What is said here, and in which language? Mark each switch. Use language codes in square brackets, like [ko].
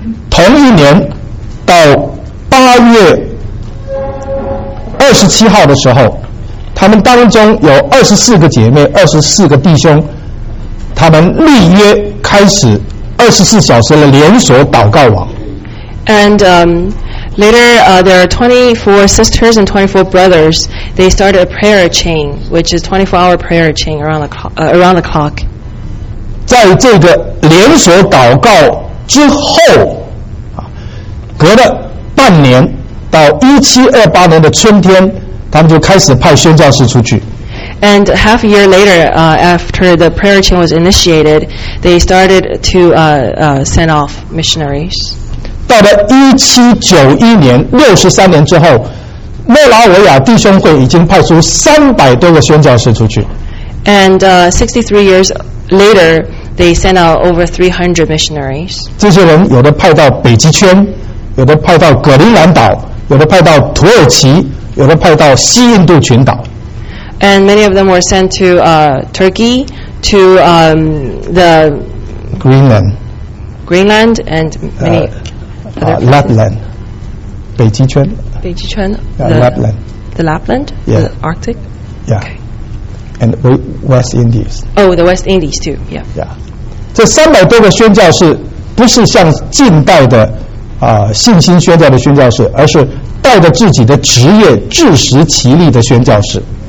[zh] 同一年到8月27号的时候，他们当中有24个姐妹、24个弟兄，他们立约开始24小时的连锁祷告网。 [en] And later, there are 24 sisters and 24 brothers. They started a prayer chain, which is 24-hour prayer chain around the clock. [zh] 在这个连锁祷告之后。隔了半年，到1728年的春天，他们就开始派宣教士出去。 [en] And half a year later, after the prayer chain was initiated, they started to send off missionaries. [zh] 到了1791年，63年之后，莫拉维亚弟兄会已经派出300多个宣教士出去。 [en] And 63 years later, they sent out over 300 missionaries. [zh] 这些人有的派到北极圈。有的派到格陵兰岛，有的派到土耳其，有的派到西印度群岛。 [en] And many of them were sent to Turkey, to the Greenland, and many Lapland, [zh] 北极圈 [en] Lapland, the Lapland, yeah. The Arctic, yeah,、 okay. and West Indies. Oh, the West Indies too, yeah. [zh] Yeah, 这三百多个宣教士不是像近代的。信心宣教的宣教士，而是带着自己的职业自食其力的宣教士。